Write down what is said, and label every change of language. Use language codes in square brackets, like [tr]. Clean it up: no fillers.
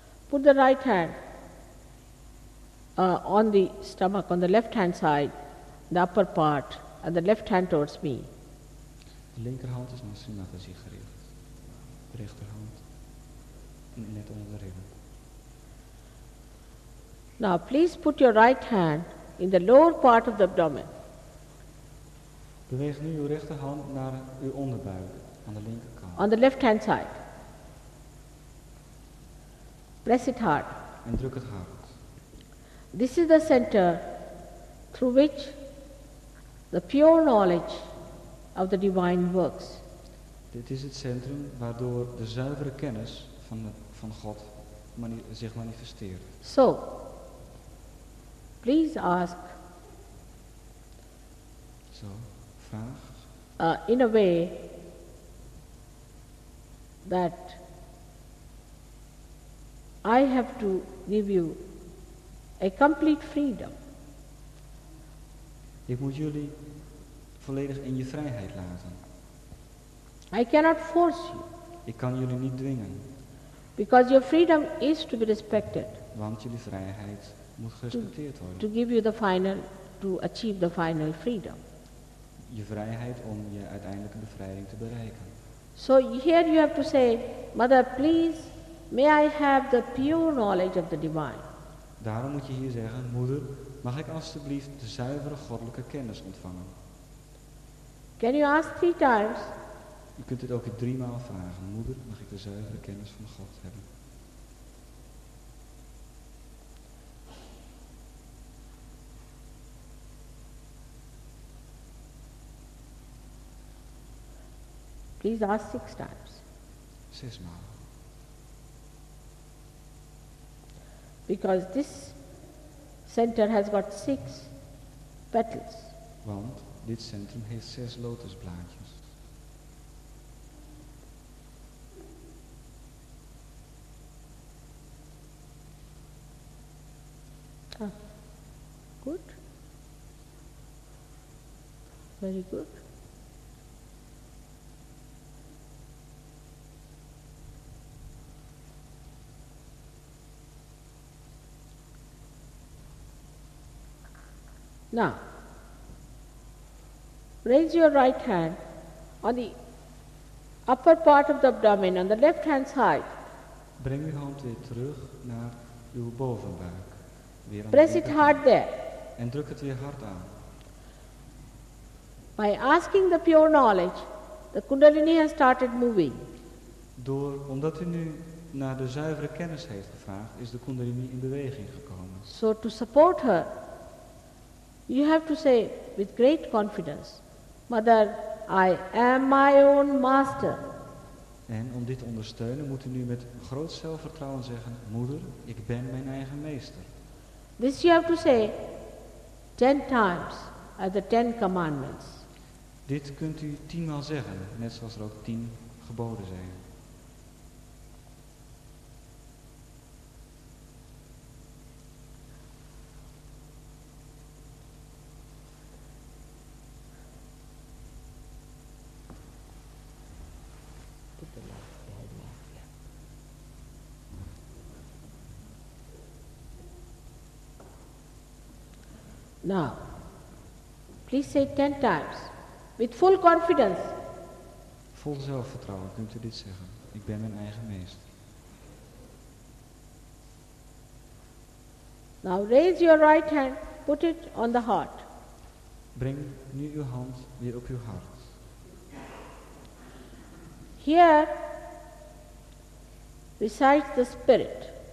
[en] Put the right hand on the stomach, on the left hand side, the upper part, and the left hand towards me. [nl] De linkerhand is naar Shri Mataji gericht. De rechterhand. Net onder de ribben. [en] Now please put your right hand in the lower part of the abdomen. [nl] Beweeg nu uw rechterhand naar uw onderbuik aan de linkerkant. [en] On the left hand side. Press it hard. [nl] En druk het hard. [en] This is the center through which the pure knowledge of the divine works. [nl] Dit is het centrum waardoor de zuivere kennis van de van God zich manifesteert. [en] So, please ask. [nl] Zo, vraag. [en] In a way that I have to give you a complete freedom. [nl] Ik moet jullie volledig in je vrijheid laten. [en] I cannot force you. [nl] Ik kan jullie niet dwingen. [en] Because your freedom is to be respected. [nl] Want jullie vrijheid moet gerespecteerd worden. [en] To give you the final, to achieve the final freedom. [nl] Je vrijheid om je uiteindelijke bevrijding te bereiken. [en] So here you have to say, Mother, please, may I have the pure knowledge of the divine. [nl] Daarom moet je hier zeggen, Moeder, mag ik alstublieft de zuivere goddelijke kennis ontvangen? [en] Can you ask 3 times? [nl] Je kunt dit ook 3 maal vragen. Moeder, mag ik de zuivere kennis van God hebben? [en] Please ask 6 times. [nl] 6 maal. [en] Because this center has got 6 petals. [nl] Want dit centrum heeft 6 lotusblaadjes. [en] Good. Very good. Now, raise your right hand on the upper part of the abdomen on the left hand side. Bring your hand [nl] weer terug naar uw bovenbuik. [en] Press it hard there. [nl] En druk het weer hard aan. [en] By asking the pure knowledge, the kundalini has started moving. [nl] Omdat u nu naar de zuivere kennis heeft gevraagd, is de kundalini in beweging gekomen. [en] So to support her, you have to say with great confidence, Mother, I am my own master. [nl] En om dit te ondersteunen moet u nu met groot zelfvertrouwen zeggen: Moeder, ik ben mijn eigen meester. [en] This you have to say 10 times as the 10 commandments. [nl] Dit kunt u 10 maal zeggen, net zoals er ook 10 geboden zijn. [en] Now, please say 10 times, with full confidence. [nl] Vol zelfvertrouwen kunt u dit zeggen. Ik ben mijn eigen meester. [en] Now raise your right hand, put it on the heart. [nl] Breng nu uw hand weer op uw hart. [en] Here resides the spirit.